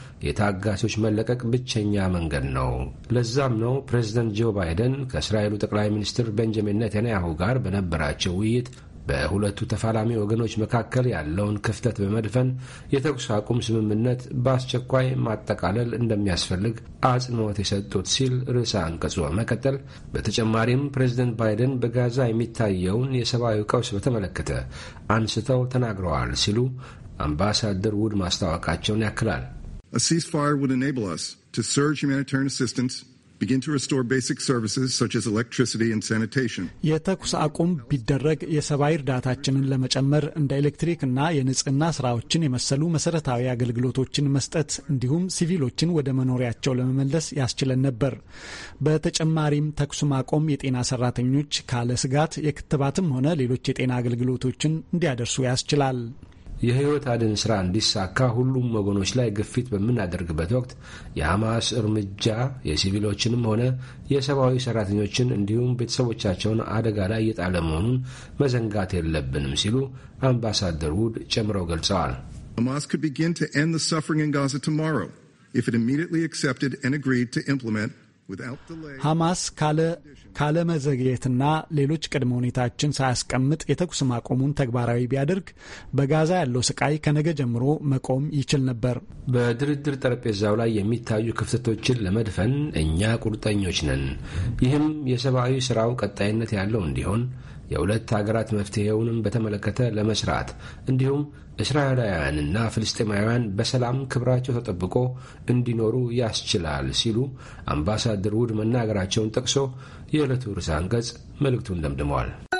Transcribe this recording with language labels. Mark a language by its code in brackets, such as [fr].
[am] የታጋቾች መለቀቅ ብቸኛ መንገድ ነው። ለዛም ነው ፕሬዚደንት ጆ ባይደን ከእስራኤሉ ጠቅላይ ሚኒስትር ቤንጃሚን ኔታንያሁ ጋር በነበራቸው ውይይት በሁለቱ ተፋላሚ ወገኖች መካከል ያለውን ክፍተት በመድፈን የተኩስ አቁም ስምምነት በአስቸኳይ ማጠቃለል እንደሚያስፈልግ አጽንኦት የሰጡት ሲል ርዕሰ አንቀጹ በመቀጠል በተጨማሪም ፕሬዚደንት ባይደን በጋዛ የሚታየውን የሰብአዊ ቀውስ በተመለከተ አንስተው ተናግረዋል ሲሉ አምባሳደር ውድ ማስታወቃቸውን ያክላል። [en] A ceasefire would enable us to surge humanitarian assistance, begin to restore basic services such as electricity and sanitation. [am] የተኩስ አቁም ቢደረግ የሰብአዊ እርዳታችንን ለመጨመር እንደ ኤሌክትሪክና የንጽህና ስራዎችን የመሰሉ መሰረታዊ አገልግሎቶችን መስጠት እንዲሁም ሲቪሎችን ወደ መኖሪያቸው ለመመለስ ያስችለን ነበር። በተጨማሪም ተኩስ ማቆም የጤና ሰራተኞች ካለ ስጋት የክትባትም ሆነ ሌሎች የጤና አገልግሎቶችን እንዲያደርሱ ያስችላል። የህይወት አድን ስራ እንዲሳካ ሁሉም ወገኖች ላይ ግፊት በሚናደርግበት ወቅት የሐማስ እርምጃ የሲቪሎችንም ሆነ የሰብአዊ ሰራተኞችን እንዲሁም ቤተሰቦቻቸውን አደጋ ላይ እየጣለ መሆኑን መዘንጋት የለብንም ሲሉ አምባሳደር ውድ ጨምረው ገልጸዋል። [en] Hamas could begin to end the suffering in Gaza tomorrow if it immediately accepted and agreed to implement [am] ሐማስ ካለ መዘግየትና ሌሎች ቅድመ ሁኔታዎችን ሳያስቀምጥ የተኩስ ማቆሙን ተግባራዊ ቢያደርግ በጋዛ ያለው ስቃይ ከነገ ጀምሮ መቆም ይችል ነበር። በድርድር ጠረጴዛው ላይ የሚታዩ ክፍተቶችን ለመድፈን እኛ ቁርጠኞች ነን። ይህም የሰብአዊ ስራው ቀጣይነት ያለው እንዲሆን የሁለት ሀገራት መፍትሄውንም በተመለከተ ለመስራት እንዲሁም እስራኤላውያንና ፍልስጤማውያን በሰላም ክብራቸው ተጠብቆ እንዲኖሩ ያስችላል ሲሉ አምባሳደር ውድ መናገራቸውን ጠቅሶ የዕለቱ ርዕሰ አንቀጽ መልእክቱን ደምድመዋል።